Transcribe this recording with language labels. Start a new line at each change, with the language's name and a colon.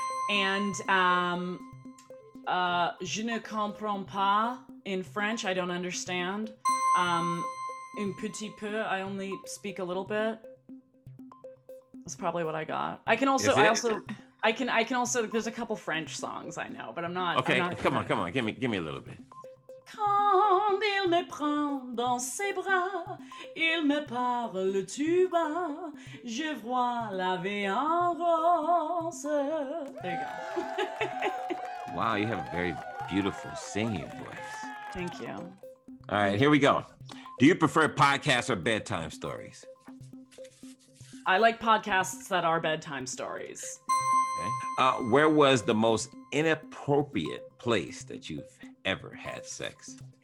English: And
French: je ne comprends pas
English: in French, I don't understand.
French: Un petit peu,
English: I only speak a little bit. That's probably what I got. I can also, there's a couple French songs I know, but I'm not. Okay, I'm not come on, give me a little bit.
French: Quand il me prend dans ses bras, il me parle tout bas, je vois la vie en rose.
English: There you go. Wow, you have a very beautiful singing voice. Thank you. All right, here we go. Do you prefer podcasts or bedtime stories? I like podcasts that are bedtime stories. Okay. Where was the most inappropriate place that you've ever had sex?